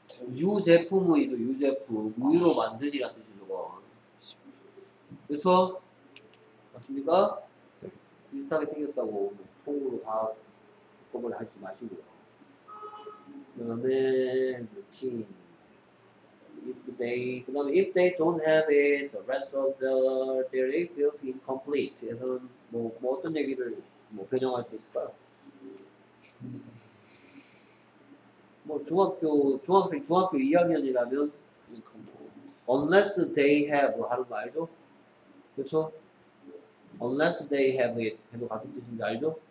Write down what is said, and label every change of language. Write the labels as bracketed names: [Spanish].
[Korean] 유제품이죠. 유제품. 우유로 만든이란 뜻이죠. 그렇죠? 맞습니까? 비슷하게 생겼다고 통으로 다 꼽을 하지 마시고요. 그 다음에 routine. [English] If they, [Korean] 그 다음에 [English] if they don't have it, the rest of the their day feels incomplete. [Korean] 그래서 뭐 어떤 얘기를 뭐 변형할 수 있을까요? 뭐 중학교 2학년이라면 [English] incomplete. Unless they have [Korean] 하는 거 알죠? 그렇죠? [English] Unless they have it [Korean] 해도 같은 뜻인지 알죠?